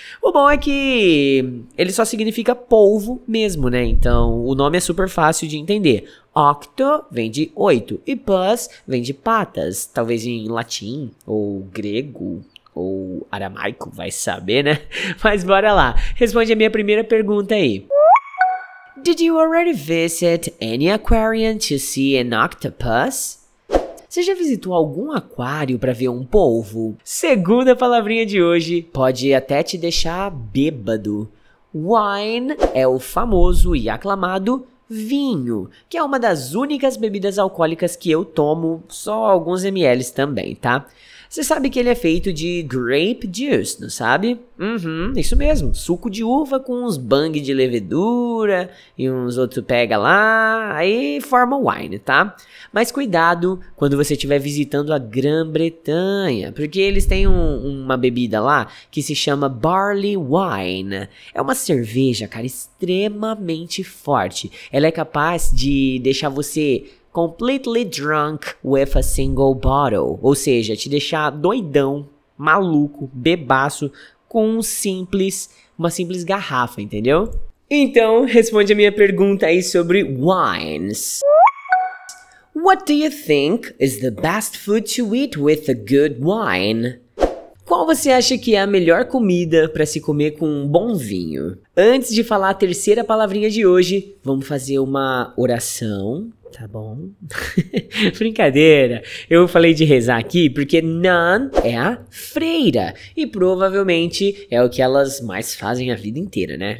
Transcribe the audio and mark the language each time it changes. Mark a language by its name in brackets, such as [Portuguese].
[Portuguese] O bom é que ele só significa polvo mesmo, né? Então, o nome é super fácil de entender. Octo vem de 8 e pus vem de patas, talvez em latim ou grego ou aramaico, vai saber, né? Mas bora lá, responde a minha primeira pergunta aí. [English] Did you already visit any aquarium to see an octopus? [Portuguese] Você já visitou algum aquário para ver um polvo? Segunda palavrinha de hoje pode até te deixar bêbado. Wine é o famoso e aclamado vinho, que é uma das únicas bebidas alcoólicas que eu tomo, só alguns ml também, tá? Você sabe que ele é feito de grape juice, não sabe? Uhum, isso mesmo, suco de uva com uns bang de levedura e uns outros pega lá, aí forma wine, tá? Mas cuidado quando você estiver visitando a Grã-Bretanha, porque eles têm uma bebida lá que se chama barley wine. É uma cerveja, cara, extremamente forte. Ela é capaz de deixar você [English] completely drunk with a single bottle, [Portuguese] ou seja, te deixar doidão, maluco, bebaço, com uma simples garrafa, entendeu? Então, responde a minha pergunta aí sobre wines. [English] What do you think is the best food to eat with a good wine? [Portuguese] Qual você acha que é a melhor comida para se comer com um bom vinho? Antes de falar a terceira palavrinha de hoje, vamos fazer uma oração, tá bom? Brincadeira, eu falei de rezar aqui porque nan é a freira e provavelmente é o que elas mais fazem a vida inteira, né?